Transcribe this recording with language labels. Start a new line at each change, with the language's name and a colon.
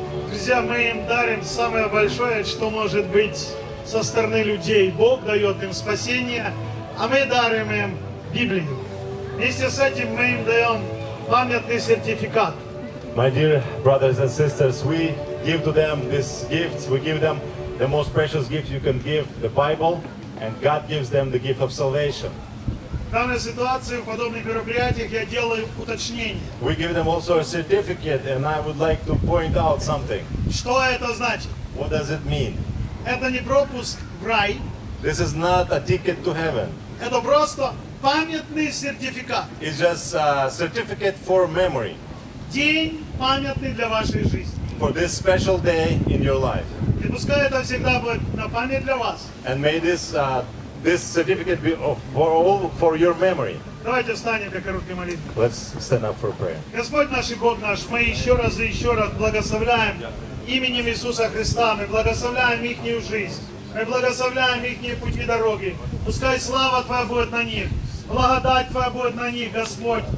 Russian: Друзья, мы им дарим самое большое, что может быть со стороны людей. Бог дает им спасение, а мы дарим им Библию. Вместе с этим мы им даем памятный сертификат.
English: My dear brothers and sisters, we give to them this gift. We give them the most precious gift you can give, the Bible, and God gives them the gift of salvation.
Russian: В данной ситуации, в подобных мероприятиях, я делаю уточнение.
English: We give them also a certificate, and I would like to point out something.
Russian: Что это значит?
English: What does it mean?
Russian: Это не пропуск в рай.
English: This is not a ticket to heaven.
Russian: Это просто памятный сертификат.
English: It's just a certificate for memory.
Russian: День памятный для вашей жизни.
English: For this special day in your life.
Russian: И пускай это всегда будет на память для вас.
English: And may this this certificate be for all for your memory.
Russian: Давайте встанем для короткой молитвы.
English: Let's stand up for prayer.
Russian: Господь наш и Бог наш, мы еще раз и еще раз благословляем именем Иисуса Христа, мы благословляем ихнюю жизнь, мы благословляем ихние пути и дороги. Пускай слава Твоя будет на них. Благодать Твоя будет на них, Господь.